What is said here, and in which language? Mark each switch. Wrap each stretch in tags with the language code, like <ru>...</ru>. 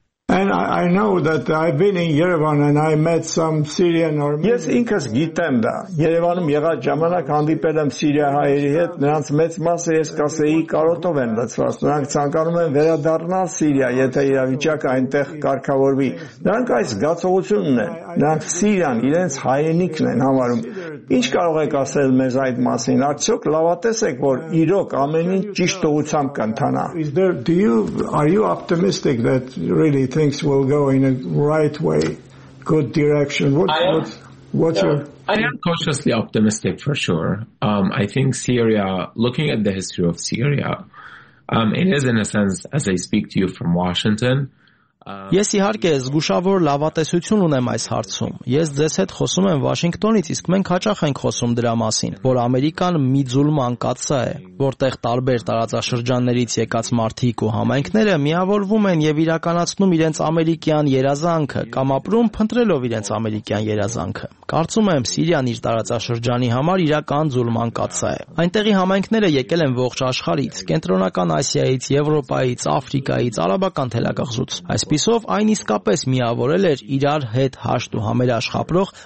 <en>And I know that I've been in Yerevan and I met some Syrian Armenians.</en> <hy>Yes, ինքս գիտեմ դա։ Երևանում եղած ժամանակ հանդիպել եմ Սիրիա հայերի հետ, նրանց մեծ մասը ես կասեի կարոտով են լցված։ Նրանք ցանկանում են վերադառնալ Սիրիա, եթե իրավիճակը այնտեղ կարգավորվի։ Նրանք այս զգացողությունն են, նրանք Սիրիան իրենց հայրենիքն են համարում։ Ինչ կարող եք ասել մեզ այդ մասին, արդյոք լավատես եք, որ իրոք ամեն ինչ ճիշտ ուղությամբ կընթանա։</hy> <en>Are you optimistic that really things will go in a right way, good direction? I am cautiously optimistic for sure. I think Syria, looking at the history of Syria, it is in a sense, as I speak to you from Washington,</en> <hy>Ես իհարկե զգուշավոր լավատեսություն ունեմ այս հարցում։ Ես ձեզ հետ խոսում եմ Վաշինգտոնից, իսկ մենք հաճախ ենք խոսում դրա մասին, որ Ամերիկան մի ձուլման կացա է, որտեղ տարբեր տարածաշրջաններից եկած մարդիկ ու համայնքները միավորվում են եւ իրականացնում իրենց ամերիկյան երազանքը կամ ապրում փնտրելով իրենց ամերիկյան երազանքը։ Կարծում եմ, Սիրիան իր տարածաշրջանի համար իրական ձուլման կացա է։ Այնտեղի համայնքները եկել են ողջ աշխարհից, կենտրոնական Ասիայից, Եվրոպայից, Աֆրիկայից, արաբական թելակղզուց։ Սպիսով այն իսկապես միավորել էր իրար հետ հաշտ ու համերաշխապրող</hy>